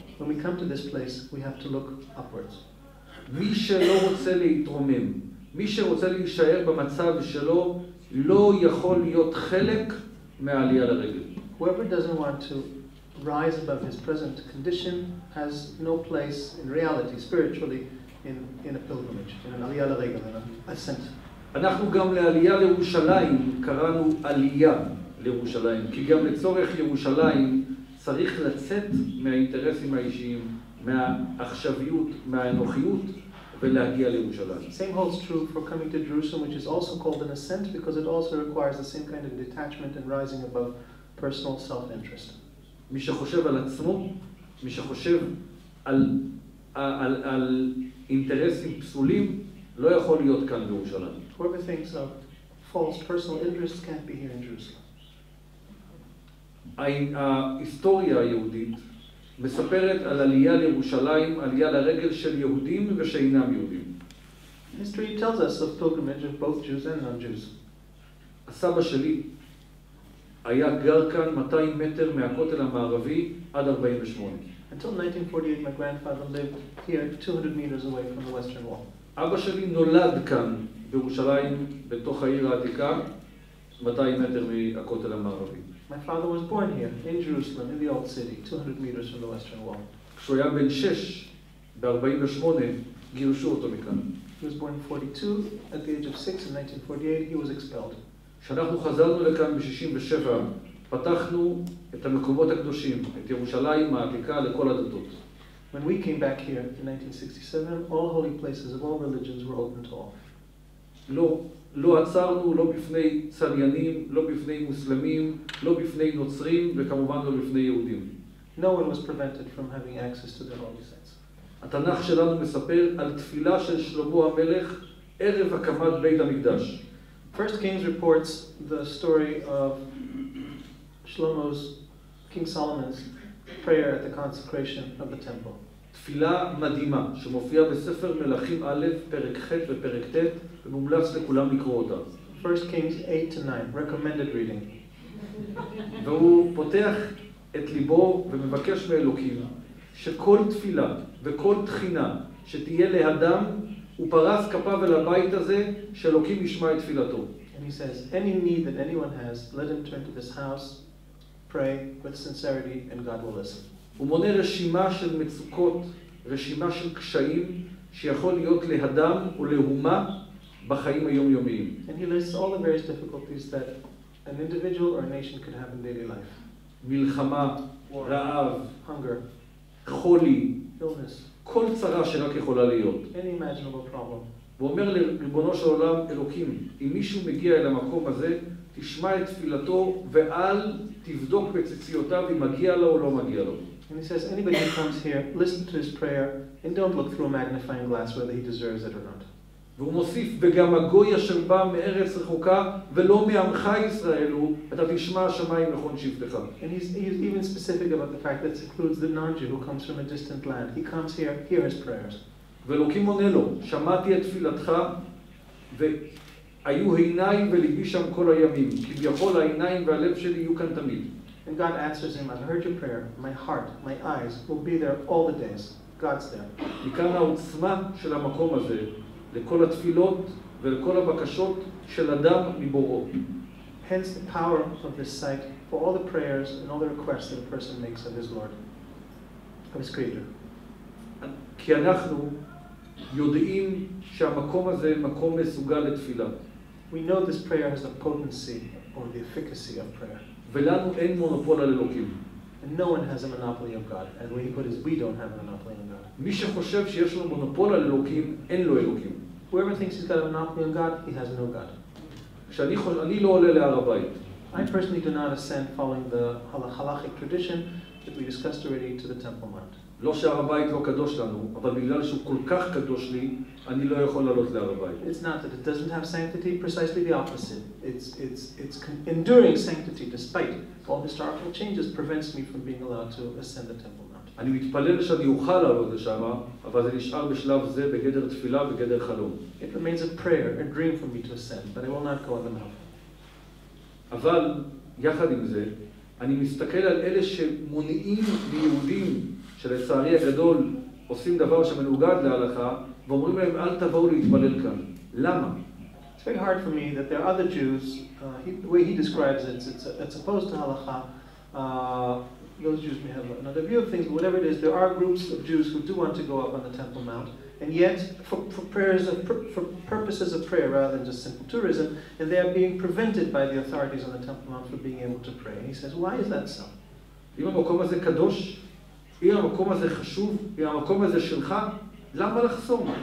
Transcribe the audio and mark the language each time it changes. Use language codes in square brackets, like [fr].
[en] When we come to this place, we have to look upwards. [he] מי שלא רוצה להתרומם, מי שרוצה להישאר במצב שלו, לא יכול להיות חלק מהעלייה לרגל. [en] Whoever doesn't want to rise above his present condition has no place in reality, spiritually, in a pilgrimage, in an aliyah l'regel, in an ascent. [he] אנחנו גם לעלייה לירושלים קראנו עלייה לירושלים, כי גם לצורך ירושלים צריך לצאת מהאינטרסים האישיים, מהעכשוויות, מהאנוכיות, ולהגיע לירושלים. [en] Same holds true for coming to Jerusalem, which is also called an ascent, because it also requires the same kind of detachment and rising above personal self-interest. [he] מי שחושב על עצמו, מי שחושב על, על, על, על אינטרסים פסולים, לא יכול להיות כאן בירושלים. [en] Whoever thinks of false personal interests can't be here in Jerusalem. [he] ההיסטוריה היהודית מספרת על עלייה לירושלים, עלייה לרגל של יהודים ושאינם יהודים. [en] History tells us of pilgrimage of both Jews and non-Jews. [he] הסבא שלי היה גר כאן 200 מטר מהכותל המערבי עד 48. [en] Until 1948, my grandfather lived here 200 meters away from the Western Wall. [he] אבא שלי נולד כאן בירושלים בתוך העיר העתיקה 200 מטר מהכותל המערבי. [en] My father was born here in Jerusalem in the old city 200 meters from the Western Wall. [he] כשהוא היה בן 6 ב-48 גירשו אותו מכאן. [en] He was born in 42 at the age of 6 in 1948 he was expelled. [he] כשאנחנו חזרנו לכאן ב-67 פתחנו את המקומות הקדושים את ירושלים העתיקה לכל הדתות. [en] When we came back here in 1967 all holy places of all religions were opened to all. [he] לא עצרנו לא בפני צליינים, לא בפני מוסלמים, לא בפני נוצרים וכמובן לא בפני יהודים. [en] No one was prevented from having access to the holy sites. [he] התנ"ך שלנו מספר על תפילה של שלמה המלך ערב הקמת בית המקדש. [en] First Kings reports the story of Shlomo's King Solomon's prayer at the consecration of the temple. [he] תפילה מדהימה שמופיעה בספר מלכים א' פרק ח' ופרק ט' ומומלץ לכולם לקרוא אותה. [en] First Kings 8 to 9, recommended reading. [he] והוא פותח את ליבו ומבקש מאלוקים שכל תפילה וכל תחינה שתהיה לאדם הוא פרס כפיו אל הבית הזה שאלוקים ישמע את תפילתו. [en] And he says, any need that anyone has, let him turn to this house, pray with sincerity and God will listen. [he] הוא מונה רשימה של מצוקות, רשימה של קשיים שיכול להיות לאדם ולאומה בחיים היומיומיים. [en] And he lists all the various difficulties that an individual or a nation could have in daily life. [he] מלחמה, [en] war, [he] רעב, [en] hunger, [he] חולי, [en] illness, [he] כל צרה שרק יכולה להיות. [en] Any imaginable problem. [he] הוא אומר לריבונו של עולם, אלוקים, אם מישהו מגיע אל המקום הזה, תשמע את תפילתו ואל תבדוק בציציותיו אם מגיע לו או לא מגיע לו. [en] And he says, anybody who comes here, listen to his prayer and don't look through a magnifying glass whether he deserves it or not. [he] והוא מוסיף, וגם הגוי אשר בא מארץ רחוקה ולא מעמך ישראל הוא, אתה תשמע השמיים נכון שבטך. [en] And he's even specific about the fact that includes the non-Jew who comes from a distant land. He comes here, hear his prayers. [he] ואלוקים עונה לו, שמעתי את תפילתך והיו עיניים וליבי שם כל הימים, כביכול העיניים והלב שלי יהיו כאן תמיד. [en] And God answers him, I've heard your prayer, my heart, my eyes will be there all the days. God's there. [he] מכאן העוצמה של המקום הזה, לכל התפילות ולכל הבקשות של אדם מבוראו. [en] Hence the power of this site for all the prayers and all the requests that a person makes of his Lord, of his Creator. [he] כי אנחנו יודעים שהמקום הזה מקום מסוגל לתפילה. [en] We know this prayer has the potency or the efficacy of prayer. [he] ולנו אין מונופול על אלוקים. [en] And no one has a monopoly of God. And the way he put it is, we don't have a monopoly on God. [he] מי שחושב שיש לו מונופול על אלוקים, אין לו אלוקים. [en] Whoever thinks he's got a monopoly on God, he has no God. [he] כשאני לא עולה להר הבית. [en] I personally do not ascend following the halachic tradition that we discussed already to the Temple Mount. [he] לא שהר הבית לא קדוש לנו, אבל בגלל שהוא כל כך קדוש לי, אני לא יכול לעלות להר הבית. [en] It's not that it doesn't have sanctity, precisely the opposite. It's enduring sanctity despite all historical changes prevents me from being allowed to ascend the Temple Mount. [he] אני מתפלל שאני אוכל לעלות לשם, אבל זה נשאר בשלב זה בגדר תפילה וגדר חלום. [en] It remains a prayer, a dream for me to ascend, but I will not go on the mountain. [he] אבל יחד עם זה, אני מסתכל על אלה שמונעים מיהודים שלצערי הגדול עושים דבר שמנוגד להלכה ואומרים להם אל תבואו להתפלל כאן. למה? [en] It's very hard for me that there are other Jews, the way he describes it, it's opposed to halakha. Those Jews may have another view of things, but whatever it is, there are groups of Jews who do want to go up on the Temple Mount And yet, for purposes of prayer rather than just simple tourism, and they are being prevented by the authorities on the Temple Mount from being able to pray. And he says, why is that so? [he] אם המקום הזה קדוש, אם המקום הזה חשוב, אם המקום הזה שלך, למה לחסום?